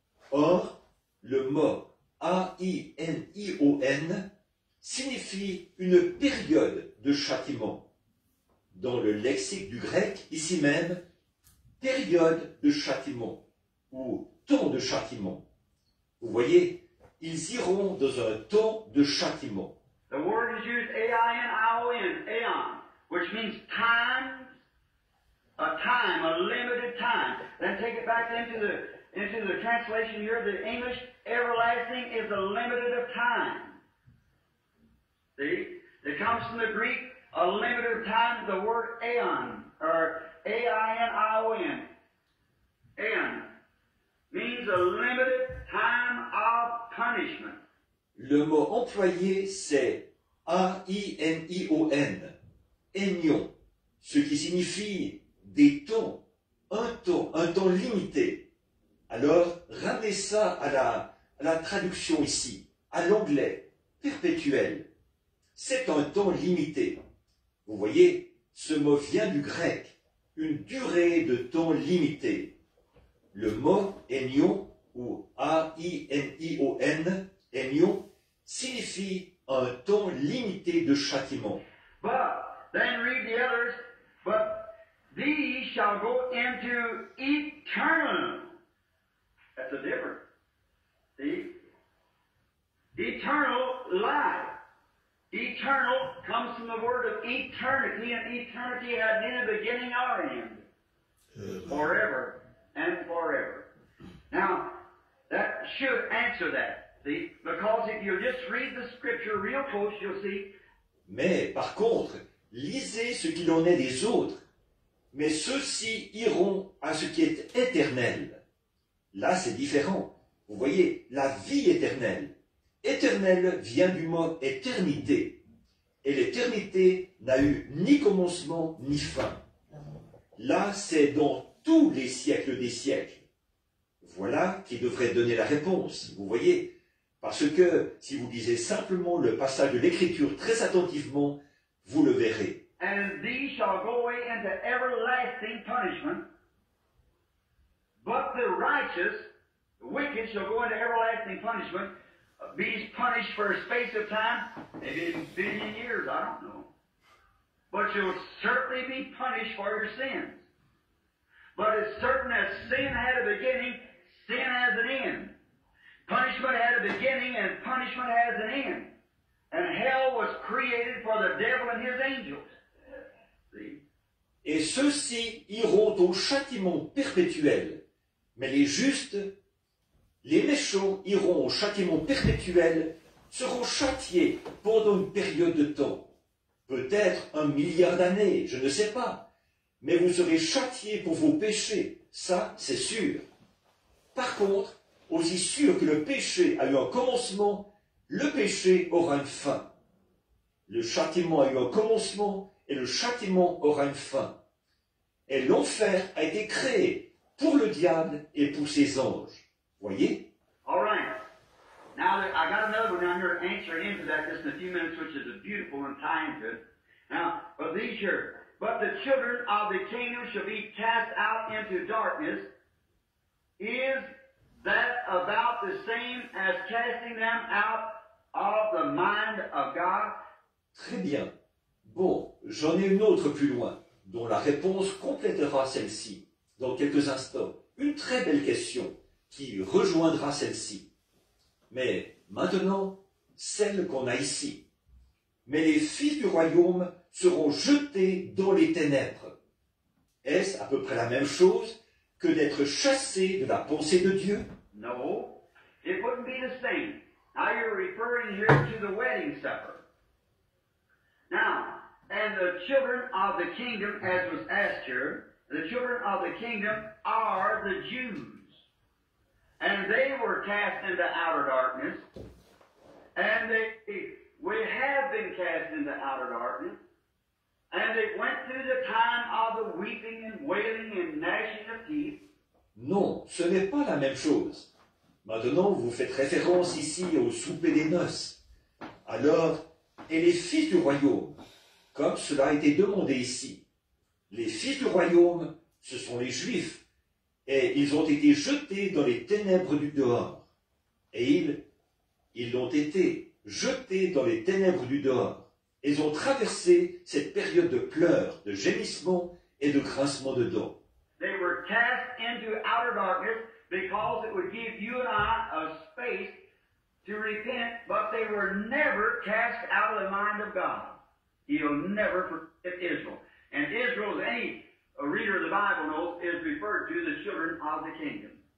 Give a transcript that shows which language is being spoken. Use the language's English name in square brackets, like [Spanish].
[French] Or, le mot A-I-N-I-O-N signifie une période de châtiment. Dans le lexique du grec, ici même, période de châtiment, ou temps de châtiment. Vous voyez, ils iront dans un temps de châtiment. [English] The word is used A-I-N-I-O-N, aeon, which means time, a time, a limited time. Then take it back into the translation here, the English, everlasting is a limited of time. See? It comes from the Greek, a limited time, the word aeon, or A-I-N-I-O-N, aeon, means a limited time of punishment. [French] Le mot employé, c'est A-I-N-I-O-N, aignon, ce qui signifie des temps, un temps limité. Alors, ramenez ça à la traduction ici, à l'anglais, perpétuel. C'est un temps limité. Vous voyez, ce mot vient du grec, une durée de temps limité. Le mot aignon, ou A-I-N-I-O-N, aignon, signifie un temps limité de châtiment. [English] But, then read the others, but these shall go into eternal. That's a difference. See? Eternal life. Eternal comes from the word of eternity, and eternity had neither beginning nor end. Forever and forever. Now, that should answer that. See? Because if you just read the scripture real close, you'll see. [French] Mais, par contre, lisez ce qu'il en est des autres. Mais ceux-ci iront à ce qui est éternel. Là, c'est différent. Vous voyez, la vie éternelle. Éternel vient du mot éternité. Et l'éternité n'a eu ni commencement ni fin. Là, c'est dans tous les siècles des siècles. Voilà qui devrait donner la réponse, vous voyez. Parce que si vous lisez simplement le passage de l'Écriture très attentivement, vous le verrez. [English] And these shall go away into everlasting punishment. But the righteous, the wicked, shall go into everlasting punishment, be punished for a space of time, maybe a billion years, I don't know. But you'll certainly be punished for your sins. But as certain as sin had a beginning, sin has an end. Punishment had a beginning, and punishment has an end. And hell was created for the devil and his angels. See? [French] Et ceux-ci iront au châtiment perpétuel. Mais les justes, les méchants iront au châtiment perpétuel, seront châtiés pendant une période de temps. Peut-être un milliard d'années, je ne sais pas. Mais vous serez châtiés pour vos péchés, ça c'est sûr. Par contre, aussi sûr que le péché a eu un commencement, le péché aura une fin. Le châtiment a eu un commencement et le châtiment aura une fin. Et l'enfer a été créé pour le diable et pour ses anges. Voyez? [English] All right. Now, I got another one down here to answer into that just in a few minutes, which is a beautiful one tying to it. Now, but these here. But the children of the kingdom shall be cast out into darkness. Is that about the same as casting them out of the mind of God? [French] Très bien. Bon, j'en ai une autre plus loin, dont la réponse complétera celle-ci. Dans quelques instants, une très belle question qui rejoindra celle-ci. Mais maintenant, celle qu'on a ici. Mais les fils du royaume seront jetés dans les ténèbres. Est-ce à peu près la même chose que d'être chassé de la pensée de Dieu? [English] No, it wouldn't be the same. Now you're referring here to the wedding supper. Now, and the children of the kingdom, as was asked here, the children of the kingdom are the Jews. And they were cast into outer darkness. And we have been cast into outer darkness. And it went through the time of the weeping and wailing and gnashing of teeth. [French] Non, ce n'est pas la même chose. Maintenant, vous faites référence ici au souper des noces. Alors, et les fils du royaume, comme cela a été demandé ici, les fils du royaume, ce sont les Juifs, et ils ont été jetés dans les ténèbres du dehors. Et ils l'ont été jetés dans les ténèbres du dehors. Ils ont traversé cette période de pleurs, de gémissements et de grincements de dents. [English] They were cast into outer darkness because it would give you and I a space to repent, but they were never cast out of the mind of God. He'll never forget Israel. And Israel, as any reader of the Bible knows, is referred to the children of the kingdom.